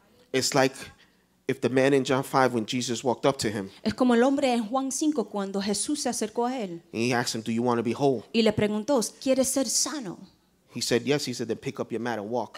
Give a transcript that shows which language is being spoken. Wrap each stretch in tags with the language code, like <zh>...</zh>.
<en>It's like if the man in John 5 when Jesus walked up to him.</en> <es>Es como el hombre en Juan 5 cuando Jesús se acercó a él.</es> <en>And he asked him, do you want to be whole?</en> <es>Y le preguntó, ¿quieres ser sano?</es> <en>He said, yes. He said, then pick up your mat and walk.</en>